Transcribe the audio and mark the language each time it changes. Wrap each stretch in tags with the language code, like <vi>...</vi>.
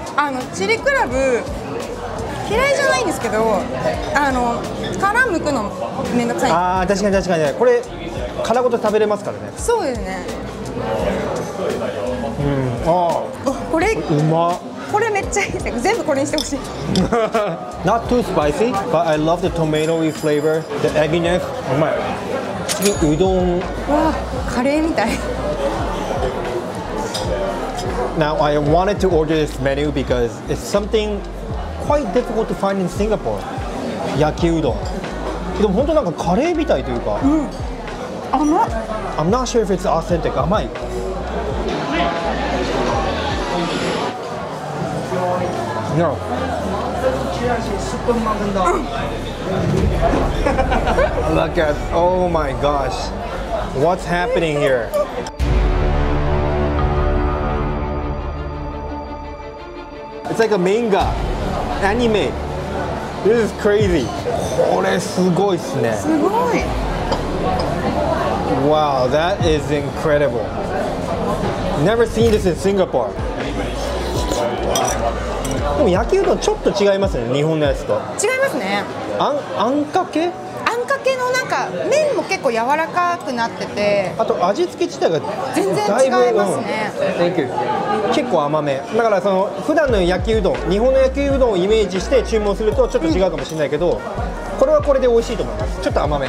<ja>あのチリクラブ嫌いじゃないんですけど、あの殻剥くのめんどくさい。あ、確かに確かに。これ殻ごと食べれますからね。そうですね。うん、あこれうま。これめっちゃいいです。全部これにしてほしい。</ja> <en>Not too spicy, but I love the tomato-y flavor, the egginess.</en> <ja>うまい。次、うどん。わあ、カレーみたい。</ja> <en>Now I wanted to order this menu because it's something quite difficult to find in Singapore.</en> <ja>焼きうどん。でも本当なんかカレーみたいというか。うん。甘い。</ja> <en>I'm not sure if it's authentic.</en> <ja>甘い。</ja> <en>No. Look at, oh my gosh, what's happening here? It's like a manga, anime. This is crazy.</en> <ja>これすごいっすね。すごい。</ja> <en>Wow, that is incredible. Never seen this in Singapore.</en> <ja>でも焼きうどんちょっと違いますね、日本のやつと。違いますね。あんかけ? あんかけのなんか麺も結構柔らかくなってて、あと味付け自体が全然違いますね、うん、</ja> <en>Thank you.</en> <ja>結構甘め。だからその普段の焼きうどん、日本の焼きうどんをイメージして注文するとちょっと違うかもしれないけど、うん、これはこれで美味しいと思います。ちょっと甘め。</ja>